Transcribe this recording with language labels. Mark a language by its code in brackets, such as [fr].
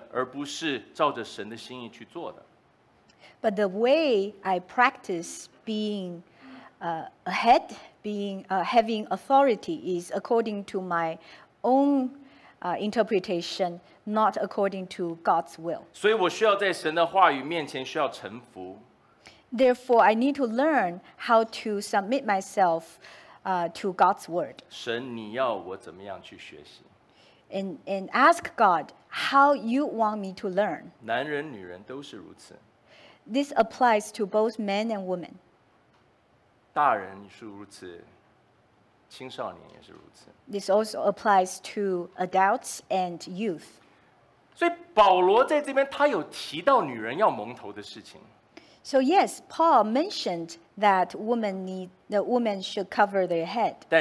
[zh] 但是我对于做头和使用权柄的这个概念是我个人的或是人为的，而不是照着神的心意去做的。 [en] But the way I practice being a head, being having authority, is according to my own interpretation, not according to God's will. [zh] 所以我需要在神的话语面前需要臣服。 [en] Therefore, I need to learn how to submit myself to God's word. [zh] 神，你要我怎么样去学习？ [en] And ask God how you want me to learn. [zh] 男人女人都是如此。 [en] This applies to both men and women. [zh] 大人是如此。青少年也是如此。 [en] This also applies to adults and youth. [zh] 所以保罗在这边他有提到女人要蒙头的事情。 [en] So yes, Paul mentioned that the woman should cover their head.